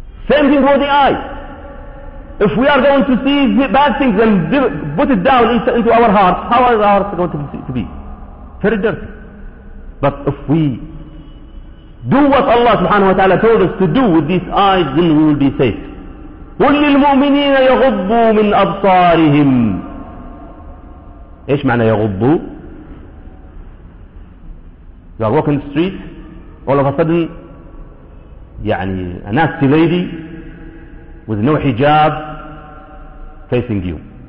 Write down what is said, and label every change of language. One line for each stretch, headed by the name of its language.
English: Same thing for the eye. If we are going to see the bad things and put it down into our heart, how is our heart going to be? Very dirty. But if we do what Allah subhanahu wa ta'ala told us to do with these eyes, then we will be safe.
Arabic: قل للمؤمنين يغضوا من أبصارهم. إيش معنى يغضوا؟
English: You are walking the street, all of a sudden, a nasty lady with no hijab facing you.